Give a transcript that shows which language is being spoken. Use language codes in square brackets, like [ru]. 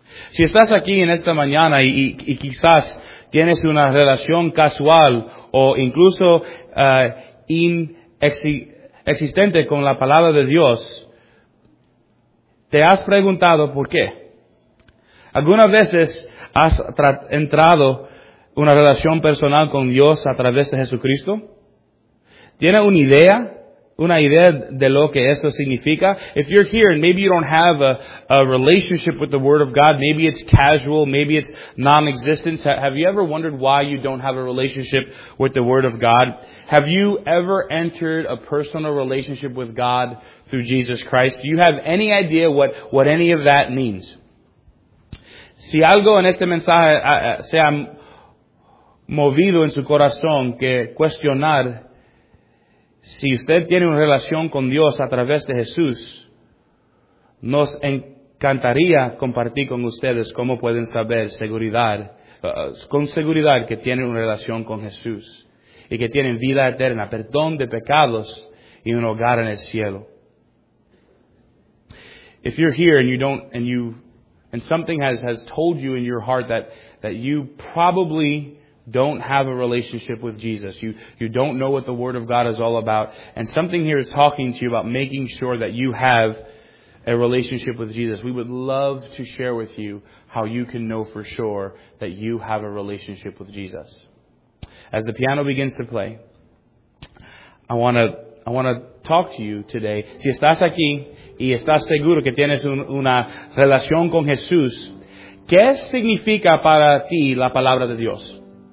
[es] Si estás aquí en esta mañana y quizás tienes una relación casual o incluso inexistente con la palabra de Dios, te has preguntado por qué. ¿Algunas veces has entrado una relación personal con Dios a través de Jesucristo? ¿Tiene una idea? Una idea de lo que eso significa. [en] If you're here and maybe you don't have a relationship with the Word of God, maybe it's casual, maybe it's non-existent. Have you ever wondered why you don't have a relationship with the Word of God? Have you ever entered a personal relationship with God through Jesus Christ? Do you have any idea what any of that means? [es] Si algo en este mensaje se ha movido en su corazón, que cuestionar si usted tiene una relación con Dios a través de Jesús, nos encantaría compartir con ustedes cómo pueden saber seguridad, con seguridad que tienen una relación con Jesús y que tienen vida eterna, perdón de pecados y un hogar en el cielo. [en] If you're here and you don't, and you, and something has told you in your heart that you probably don't have a relationship with Jesus. You don't know what the Word of God is all about. And something here is talking to you about making sure that you have a relationship with Jesus. We would love to share with you how you can know for sure that you have a relationship with Jesus. As the piano begins to play, I want to talk to you today. [es] Si estás aquí y estás seguro que tienes una relación con Jesús, ¿qué significa para ti la palabra de Dios?